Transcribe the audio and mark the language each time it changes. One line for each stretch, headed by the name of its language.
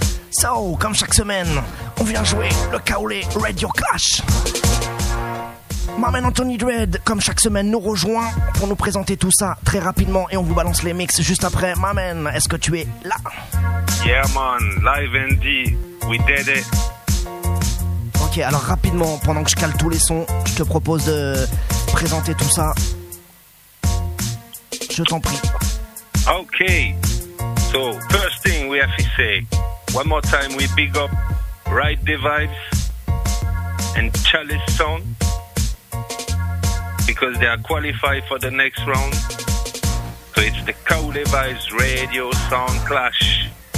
French: So, comme chaque semaine, on vient jouer le Kaolé Radio Clash. Maman Anthony Dread, comme chaque semaine, nous rejoint pour nous présenter tout ça très rapidement et on vous balance les mix juste après. Maman, est-ce que tu es là?
English: Yeah, man, live and deep, we did it.
French: Ok, alors rapidement, pendant que je cale tous les sons, je te propose de présenter tout ça. Je t'en prie. Ok.
English: So, first thing we have to say, one more time, we big up Ride the Vibes and Chalice Sound because they are qualified for the next round. So, it's the Kaolé Vibes Radio Sound Clash.